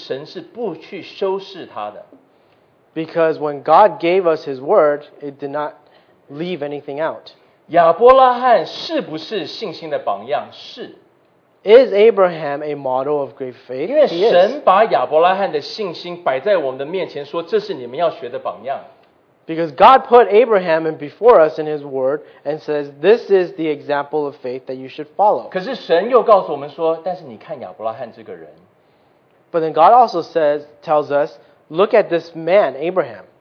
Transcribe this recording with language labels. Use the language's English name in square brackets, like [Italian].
[Chinese] 因为神给我们他的话的时候,神是不去修饰他的。 [English] Because when God gave us His word, it did not leave anything out. [Chinese] 亚伯拉罕是不是信心的榜样? 是。 [English] Is Abraham a model of great faith? [Chinese] 因为神把亚伯拉罕的信心摆在我们的面前说这是你们要学的榜样。 [English] Because God put Abraham before us in His word and says, this is the example of faith that you should follow. [Chinese] 可是神又告诉我们说,但是你看亚伯拉罕这个人。 [English] But then God also says, tells us, look at this man, Abraham.